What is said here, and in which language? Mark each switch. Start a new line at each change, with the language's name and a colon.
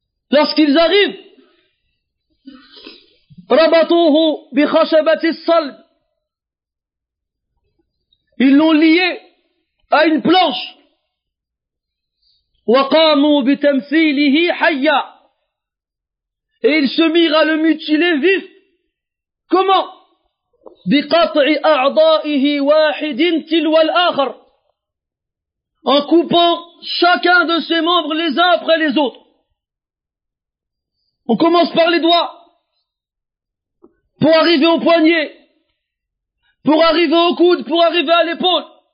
French: Lorsqu'ils arrivent,
Arabic: ربطوه بخشبة الصلب.
French: Ils l'ont lié à une planche.
Arabic: وقاموا بتمثيله حيا.
French: Et ils se mirent à le mutiler vif. Comment?
Arabic: بقطع أعضائه واحد تلو الآخر.
French: En coupant chacun de ses membres les uns après les autres. On commence par les doigts. Pour arriver au poignet, pour arriver au coude, pour arriver à l'épaule.